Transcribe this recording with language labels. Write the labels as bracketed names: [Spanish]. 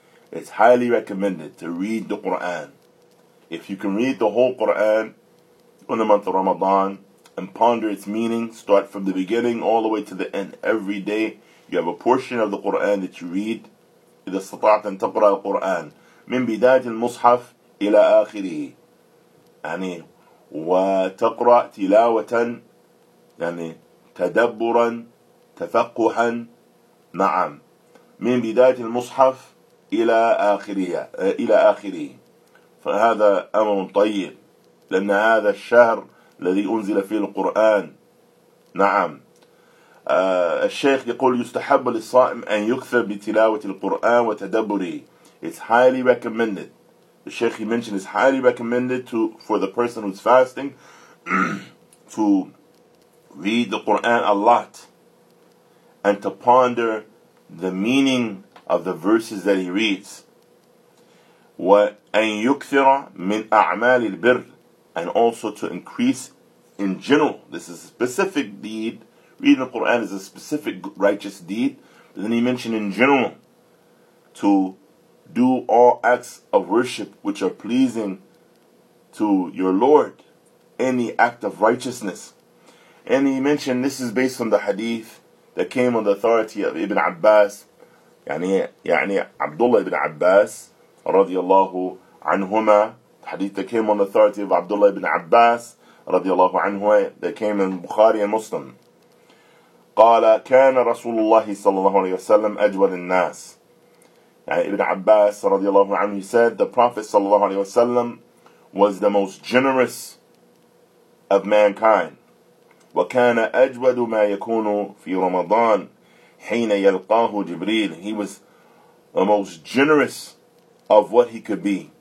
[English] It's highly recommended to read the Qur'an. If you can read the whole Qur'an in the month of Ramadan and ponder its meaning, start from the beginning all the way to the end. Every day you have a portion of the Qur'an that you read. [Arabic] إِذَا اسْتَطَعْتَ أَن تَقْرَى الْقُرْآنَ مِنْ بِدَاجِ الْمُصْحَفِ إِلَىٰ آخِرِهِ يعني وَتَقْرَى تِلَاوَةً يعني تَدَبُّرًا تَفَقُّحًا نعم من بداية المصحف إلى آخره إلى آخره فهذا أمر طيب لأن هذا الشهر الذي أنزل فيه القرآن. نعم الشيخ يقول يستحب للصائم أن يكثر بتلاوة القرآن وتدبره. [English] It's highly recommended. The Shaykh he mentioned is highly recommended to for the person who's fasting to read the Quran a lot and to ponder the meaning of the verses that he reads. [Arabic] وَأَنْ يُكْثِرَ مِنْ أَعْمَالِ الْبِرِّ [English] and also to increase in general. This is a specific deed. Reading the Qur'an is a specific righteous deed. But then he mentioned in general to do all acts of worship which are pleasing to your Lord. Any act of righteousness. And he mentioned this is based on the hadith that came on the authority of Ibn Abbas, يعني Abdullah ibn Abbas, [Arabic] رضي الله عنهما, [English] hadith that came on the authority of Abdullah ibn Abbas, [Arabic] رضي الله عنه, [English] that came in Bukhari and Muslim. [Arabic] قال, كان رسول الله صلى الله عليه وسلم أجود الناس. [English] Ibn Abbas radiallahu anhu, he said, the Prophet sallallahu alayhi wasallam was the most generous of mankind. [Arabic] وَكَانَ أَجْوَدُ مَا يَكُونُ فِي رَمَضَانِ حِينَ يَلْقَاهُ جِبْرِيلِ. [English] He was the most generous of what he could be.